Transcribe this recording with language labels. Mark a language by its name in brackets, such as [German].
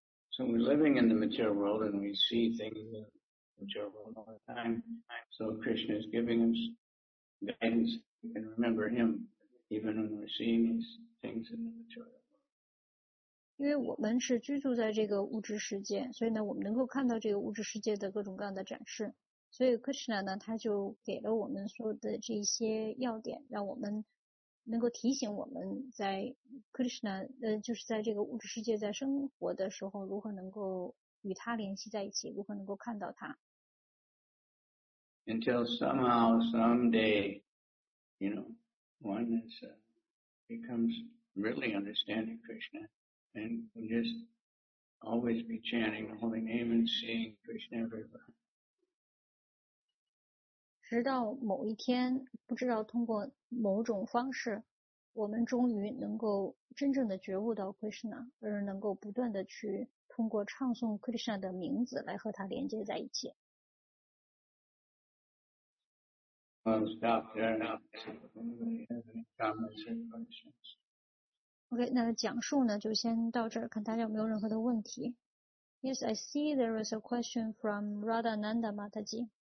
[English] So we're living in the material world and we see things in the material world all the time. So Krishna is giving us guidance. We can remember him even when we're seeing these things in the material. [Chinese] 因为我们是居住在这个物质世界，所以呢，我们能够看到这个物质世界的各种各样的展示。所以 Krishna 呢，他就给了我们所有的这些要点，让我们能够提醒我们在 Krishna 就是在这个物质世界在生活的时候，如何能够与他联系在一起，如何能够看到他。 [English] Until somehow someday, you know, one is becomes really understanding Krishna. And just always be chanting the holy name and seeing Krishna everywhere. [Chinese] 直到某一天，不知道通过某种方式，我们终于能够真正的觉悟到 Krishna， 而能够不断的去通过唱诵 Krishna 的名字来和他连接在一起。 OK， 那个讲述呢就先到这儿，看大家有没有任何的问题。 [English] Yes, I see there is a question from Radhananda Mataji.